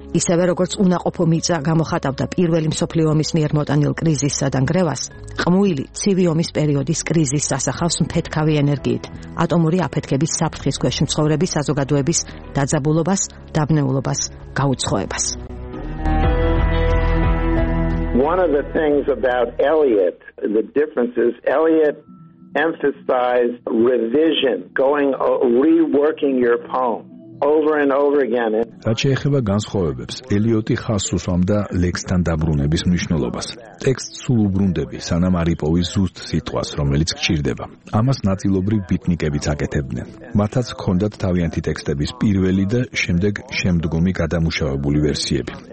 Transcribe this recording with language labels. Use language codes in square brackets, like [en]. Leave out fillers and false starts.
[ka] ისევე როგორც უნაყოფო მიწა გამოხატავდა პირველი მსოფლიო ომის მიერ მოტანილ კრიზისსადან გრევას, ყმუილი ცივი ომის პერიოდის კრიზისს ასახავს მფეთქავი ენერგიით, ატომური აფეთქების საფრთხის ქვეშ მცხოვრების საზოგადოების დაძაბულობას, დაბნეულობას, გაუცხოებას. [en] One of the things about Eliot, the difference is Eliot emphasized revision, going reworking your poem. Over and over again. [ka] რაც შეეხება განსხვავებებს, ელიოტი ხას უსვამდა ლექსთან დაბრუნების მნიშვნელობას. ტექსტს სულ უბრუნდები, სანამ არ იპოვის ზუსტ სიტყვას, რომელიც გჭირდება. ამას ნაწილობრივ ბიტნიკებიც აკეთებდნენ. მათაც ჰქონდათ თავიანთი ტექსტების პირველი და შემდეგ შემდგომი გადამუშავებული ვერსიები.